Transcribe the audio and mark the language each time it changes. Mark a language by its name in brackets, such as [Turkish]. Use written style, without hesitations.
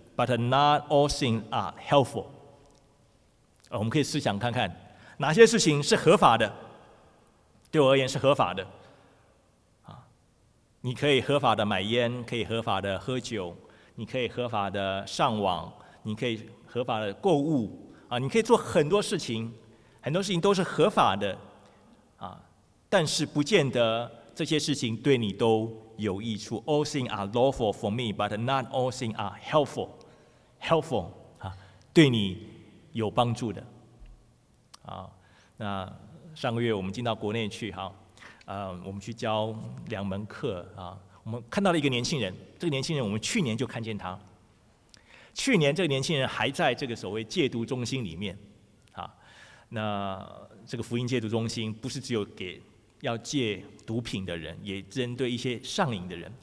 [English] But not all things are helpful、 [Chinese] 我们可以思想看看哪些事情是合法的，对我而言是合法的、你可以合法的买烟，可以合法的喝酒，你可以合法的上网，你可以合法的购物、你可以做很多事情，很多事情都是合法的、但是不见得这些事情对你都有益处。 [English] All things are lawful for me, but not all things are helpful. [Chinese] Helpful、对你有帮助的、那上个月我们进到国内去、我们去教2门课、我们看到了一个年轻人，这个年轻人我们去年就看见他，去年这个年轻人还在这个所谓戒毒中心里面，啊，那这个福音戒毒中心不是只有给要戒毒品的人，也针对一些上瘾的人。